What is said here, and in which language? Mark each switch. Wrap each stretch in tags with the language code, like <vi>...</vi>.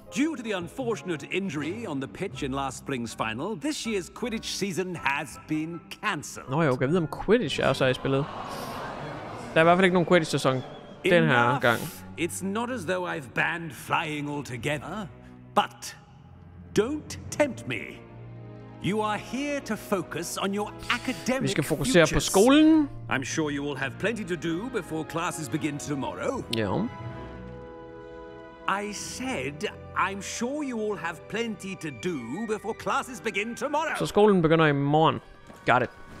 <en>Due to the unfortunate injury on the pitch in last spring's final, this year's Quidditch season has been cancelled.</en> <da>Nå, jeg kan vide, om Quidditch er så i spillet. Der er i hvert fald ikke nogen Quidditch-sæson den her gang.</da> <en>It's not as though I've banned flying altogether, but don't tempt me. You are here to focus on your academic.</en> <da>Vi skal fokusere på skolen.</da> <en>I'm sure you will have plenty to do before classes begin tomorrow.</en> <da>Ja.</da> <en>I said I'm sure you will have plenty to do before classes begin tomorrow.</en> <da>Så skolen begynder i morgen.</da> <en>Got it.</en>